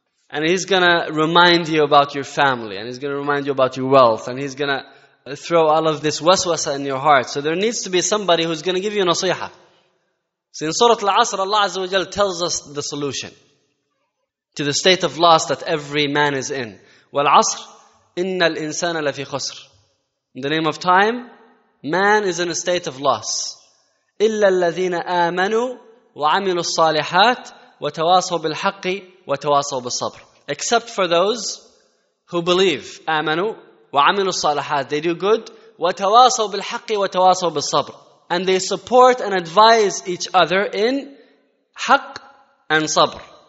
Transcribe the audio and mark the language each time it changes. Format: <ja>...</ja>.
<en>And he's going to remind you about your family. And he's going to remind you about your wealth. And he's going to throw all of this waswasa in your heart. So there needs to be somebody who's going to give you nasiha. So in Surah Al-Asr, Allah Azza wa Jal tells us the solution to the state of loss that every man is in.</en> <ar>Wal-Asr, إِنَّ الْإِنسَانَ لَفِي خُسْرٍ.</ar> <en>In the name of time, man is in a state of loss.</en> <ar>إِلَّا الَّذِينَ آمَنُوا وَعَمِلُوا الصَّالِحَاتِ وَتَوَاصَوْا بِالْحَقِّ وَتَوَاصَوْا بِالصَّبْرِ.</ar> <en>Except for those who believe,</en> <ar>آمَنُوا وَعَمِلُوا الصَّالِحَاتِ,</ar> <en>they do good,</en> <ar>وَتَوَاصَوْا بِالْحَقِّ وَتَوَاصَوْا بِالصَّبْرِ,</ar> <en>and they support and advise each other in حق and صبر.</en>